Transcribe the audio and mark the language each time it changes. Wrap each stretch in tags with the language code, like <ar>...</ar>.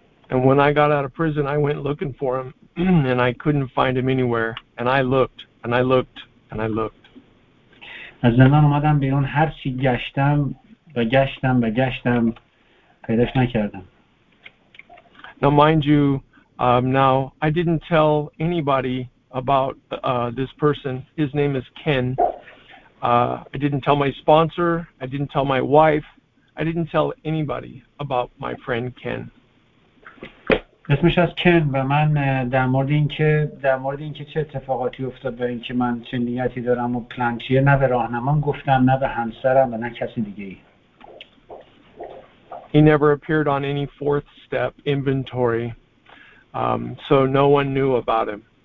<en>And when I got out of prison, I went looking for him, and I couldn't find him anywhere. And I looked, and I looked, and I looked.</en> <fa>از زندان اومدم بیرون هر چی گشتم و گشتم و گشتم پیداش نکردم.</fa> <en>Now, mind you, now I didn't tell anybody about this person. His name is Ken. I didn't tell my sponsor. I didn't tell my wife. I didn't tell anybody about my friend Ken.</en> <fa>اسمش از کن و من در مورد اینکه چه اتفاقاتی افتاد و اینکه من چه نیتی دارم و پلان چیه نه به راهنمان گفتم نه به همسرم و نه کسی دیگه ای.</fa> <en>He never appeared on any fourth step inventory, so no one knew about him.</en>